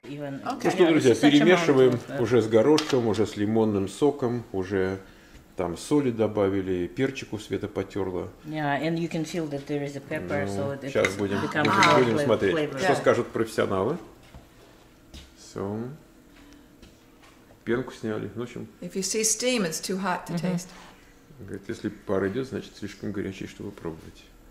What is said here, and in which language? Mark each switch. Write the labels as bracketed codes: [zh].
[ru] Ну что, друзья, перемешиваем уже с горошком, уже с лимонным соком, уже... Там соли добавили, перчику Света потерла. [en] Yeah, and you can feel that there is a pepper, so it [ru] сейчас будем, уже будем смотреть, [en] flavor. [ru] Что скажут профессионалы. [en] So, [ru] пенку сняли. В общем, [en] if you see steam, it's too hot to taste. [ru] Говорит, если пар идет, значит слишком горячий, чтобы пробовать.